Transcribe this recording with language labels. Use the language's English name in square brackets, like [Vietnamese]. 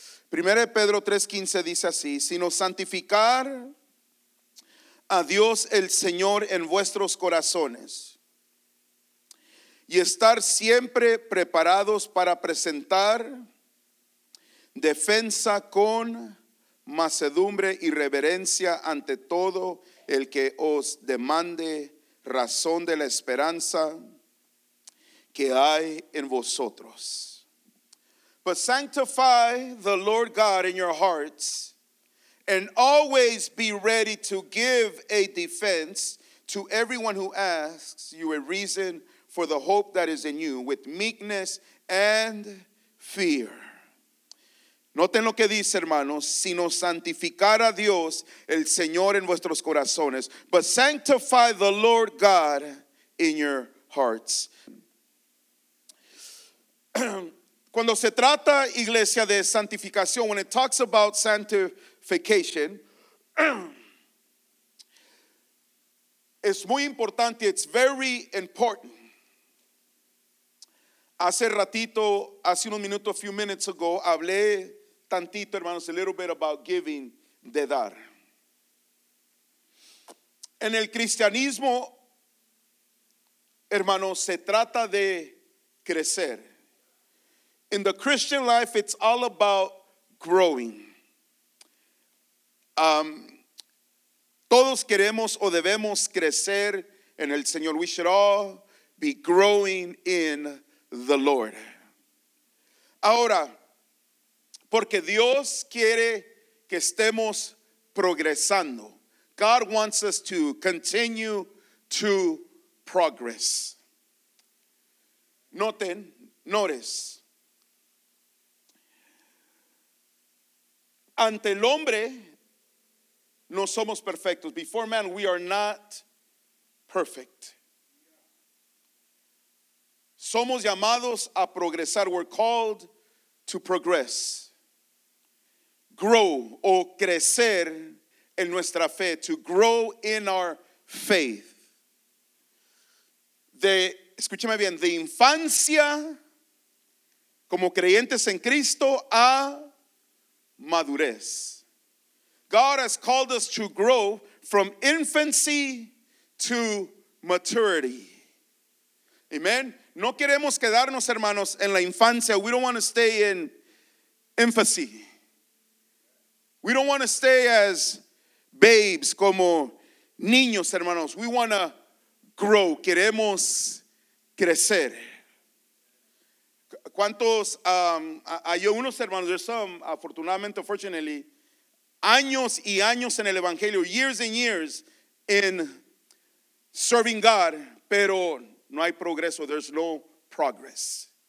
[Spanish] 1 Pedro 3:15 dice así: sino santificar a Dios el Señor en vuestros corazones y estar siempre preparados para presentar defensa con mansedumbre y reverencia ante todo el que os demande razón de la esperanza que hay en vosotros. [English] But sanctify the Lord God in your hearts, and always be ready to give a defense to everyone who asks you a reason for the hope that is in you, with meekness and fear. [Spanish] Noten lo que dice, hermanos, sino santificar a Dios, el Señor en vuestros corazones, [English] but sanctify the Lord God in your hearts. [Spanish] Cuando se trata, iglesia, de santificación, [English] when it talks about sanctification, [Spanish] es muy importante, [English] it's very important. [Spanish] Hace ratito, hace unos minutos, [English] a few minutes ago, [Spanish] hablé tantito, hermanos, [English] a little bit about giving, [Spanish] de dar. En el cristianismo, hermanos, se trata de crecer. [English] In the Christian life, it's all about growing. [Spanish] Todos queremos o debemos crecer en el Señor. [English] We should all be growing in the Lord. [Spanish] Ahora, porque Dios quiere que estemos progresando. [English] God wants us to continue to progress. [Spanish] Noten, [English] notice. [Spanish] Ante el hombre, no somos perfectos. [English] Before man, we are not perfect. [Spanish] Somos llamados a progresar. [English] We're called to progress. Grow [Spanish] o crecer en nuestra fe. [English] To grow in our faith. [Spanish] Escúcheme bien. De infancia, como creyentes en Cristo, a madurez. [English] God has called us to grow from infancy to maturity. Amen. [Spanish] No queremos quedarnos, hermanos, en la infancia. [English] We don't want to stay in infancy. We don't want to stay as babes, [Spanish] como niños, hermanos. [English] We want to grow. [Spanish] Queremos crecer. ¿Cuántos, hay unos hermanos, [English] there's some, [Spanish] afortunadamente, [English] fortunately, [Spanish] años y años en el evangelio, [English] years and years in serving God, [Spanish] pero no hay progreso, [English] there's no progress.